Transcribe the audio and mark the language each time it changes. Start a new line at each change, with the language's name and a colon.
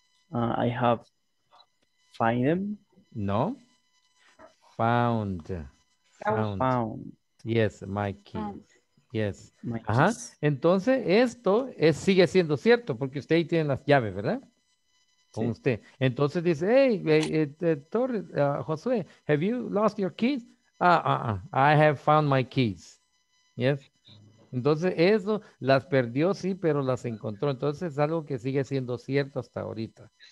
English: I have find them. No. Found. Found. Found. Yes, my key. Found. Yes. My ajá. Keys.
Spanish: Entonces, esto es, sigue siendo cierto, porque usted ahí tiene las llaves, ¿verdad? Con sí, usted. Entonces dice, Josué,
English: have you lost your keys? I have found my keys. Yes.
Spanish: Entonces, eso las perdió, sí, pero las encontró. Entonces, es algo que sigue siendo cierto hasta ahorita.